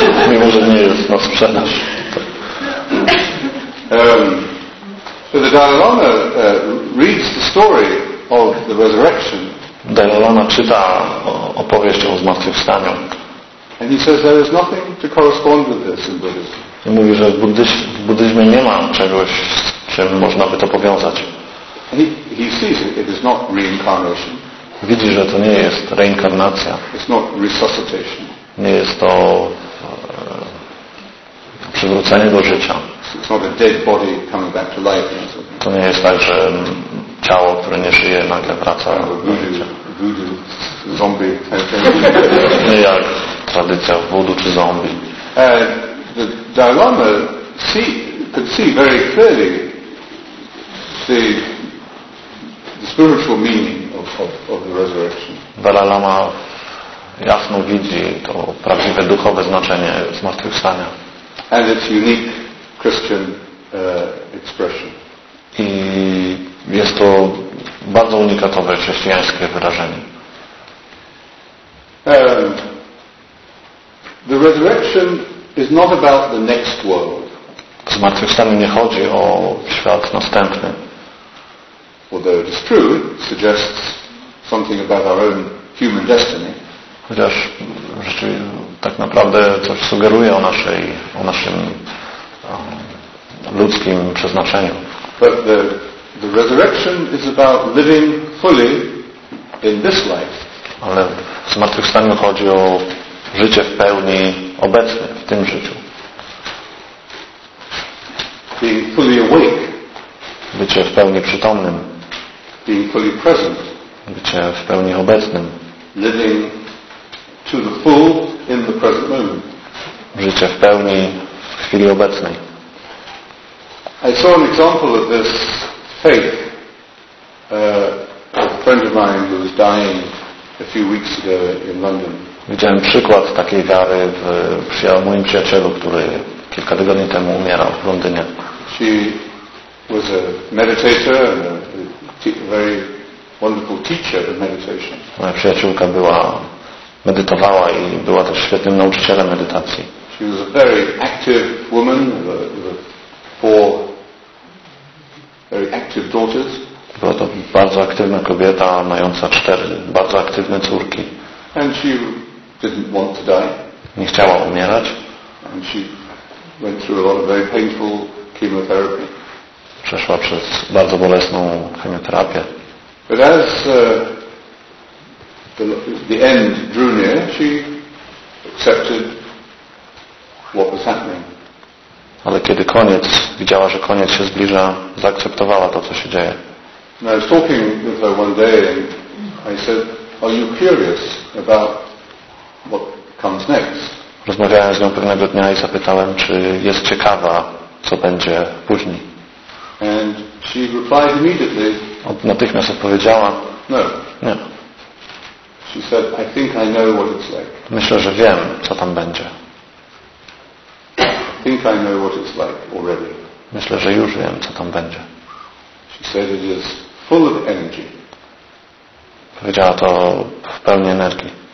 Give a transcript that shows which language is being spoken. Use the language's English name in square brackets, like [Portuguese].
[Polish] Mimo, że nie jest na sprzedaż. [English] So the Dalai Lama reads the story of the resurrection. [Polish] Dalai Lama czyta opowieść o zmartwychwstaniu. [English] And he says there is nothing to correspond with this in Buddhism. [Polish] I mówi, że w buddyzmie nie ma czegoś, z czym można by to powiązać. [English] He sees it is not reincarnation. [Polish] Widzi, że to nie jest reinkarnacja. [English] It's not resuscitation. [Polish] Nie jest to przywrócenie do życia. [English] It's not a dead body coming back to life. [Polish] To nie jest tak, że ciało, które nie żyje, nagle wraca do życia. [English] Voodoo, zombie. [Polish] Nie jak tradycja voodoo czy zombie. [English] The Dalai Lama could see very clearly the spiritual meaning of the resurrection. [Polish] Dalai Lama jasno widzi to prawdziwe duchowe znaczenie zmartwychwstania. [English] And its unique Christian expression. [Polish] I jest to bardzo unikatowe chrześcijańskie wyrażenie. [English] The resurrection is not about the next world. [Polish] Zmartwychwstanie nie chodzi o świat następny. [English] Although it is true, it suggests something about our own human destiny. [Polish] Chociaż tak naprawdę coś sugeruje o naszym ludzkim przeznaczeniu. [English] But the resurrection is about living fully in this life. [Polish] Ale w zmartwychwstaniu chodzi o życie w pełni obecne w tym życiu. [English] Being fully awake. [Polish] Bycie w pełni przytomnym. [English] Being fully present. [Polish] Bycie w pełni obecnym. [English] Living to the full in the present moment. [Polish] Życie w pełni w chwili obecnej. [English] I saw an example of this faith. A friend of mine who was dying a few weeks ago in London. [Polish] Widziałem przykład takiej wiary w moim przyjacielu, który kilka tygodni temu umierał w Londynie. [English] She was a meditator and a very wonderful teacher of meditation. [Polish] Moja przyjaciółka medytowała i była też świetnym nauczycielem medytacji. [English] She was a very active woman with four very active daughters. [Polish] Była to bardzo aktywna kobieta, mająca cztery bardzo aktywne córki. [English] And she didn't want to die. [Polish] Nie chciała umierać. [English] And she went through a lot of very painful chemotherapy. [Polish] Przeszła przez bardzo bolesną chemioterapię. [English] But as the end drew near, she accepted what was happening. [Polish] Ale kiedy koniec, widziała, że koniec się zbliża, zaakceptowała to, co się dzieje. [English] And I was talking with her one day and I said, are you curious about what comes next? [Polish] Rozmawiałem z nią pewnego dnia i zapytałem, czy jest ciekawa, co będzie później. [English] And she replied immediately. [Polish] Natychmiast odpowiedziała, [English] no. [Polish] Nie. [English] She said, I think I know what it's like. [Polish] Myślę, że wiem, co tam będzie. [English] I think I know what it's like already. [Polish] Myślę, że już wiem, co tam będzie. [English] She said it is full of energy. [Polish] Powiedziała to w pełni energii.